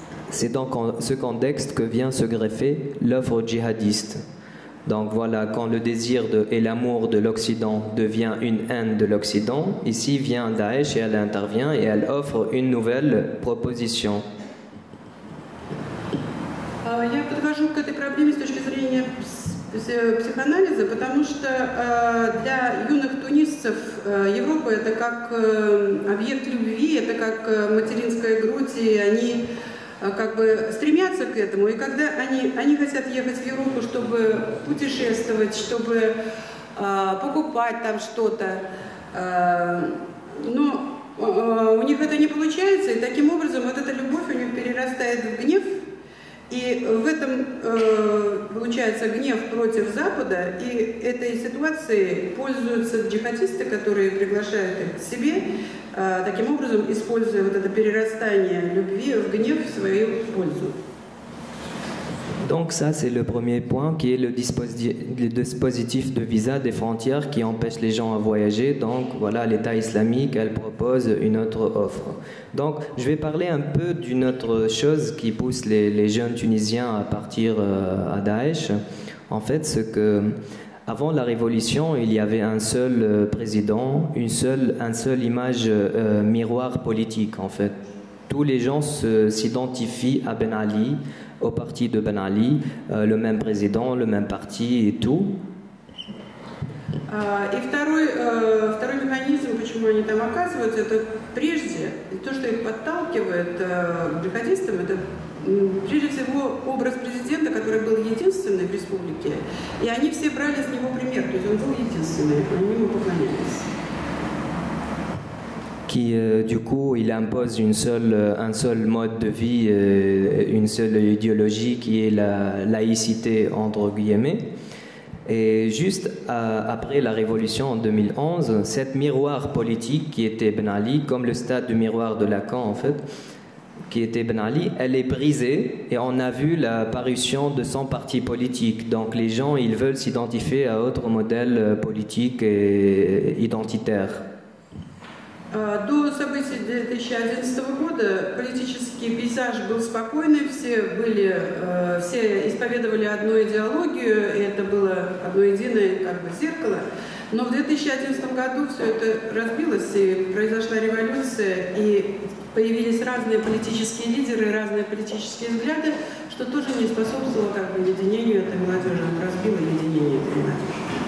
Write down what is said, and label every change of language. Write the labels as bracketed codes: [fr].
[fr] C'est donc en ce contexte que vient se greffer l'offre djihadiste. Donc voilà, quand le désir et l'amour de l'Occident devient une haine de l'Occident, ici vient Daesh et elle intervient et elle offre une nouvelle proposition. [ru] Я подхожу к этой проблеме с точки зрения психоанализа, потому что для юных тунисцев Европа это как объект любви, это как материнская грудь, и они как бы стремятся к этому, и когда они хотят ехать в Европу, чтобы путешествовать, чтобы покупать там что-то, но у них это не получается, и таким образом вот эта любовь у них перерастает в гнев, и в этом получается гнев против Запада, и этой ситуацией пользуются джихадисты, которые приглашают их к себе, таким образом, используя вот это перерастание любви в гнев в свою пользу. [fr] Donc ça, c'est le premier point qui est le dispositif de visa des frontières qui empêche les gens à voyager. Donc voilà, l'État islamique, elle propose une autre offre. Donc je vais parler un peu d'une autre chose qui pousse les jeunes Tunisiens à partir à Daesh. En fait, c'est que avant la révolution, il y avait un seul président, un seul image miroir politique en fait. Tous les gens s'identifient à Ben Ali, au parti de Ben Ali, le même président, le même parti et tout. [ru] И второй механизм, почему они там оказываются, это прежде, то, что их подталкивает к джихадистам, это прежде всего образ президента, который был единственный в республике, и они все брали с него пример, то есть он был единственный, они ему поклонялись. [fr] Qui du coup il impose un seul mode de vie, une seule idéologie qui est la laïcité entre guillemets. Et juste après la révolution en 2011, cette miroir politique qui était Ben Ali, comme le stade du miroir de Lacan en fait, qui était Ben Ali, elle est brisée et on a vu l'apparition de son parti politique. Donc les gens ils veulent s'identifier à autre modèle politique et identitaire. [ru] До событий 2011 года политический пейзаж был спокойный, все исповедовали одну идеологию, и это было одно единое как бы зеркало. Но в 2011 году все это разбилось, и произошла революция, и появились разные политические лидеры, разные политические взгляды, что тоже не способствовало как бы единению этой молодежи, разбило единение этой молодежи.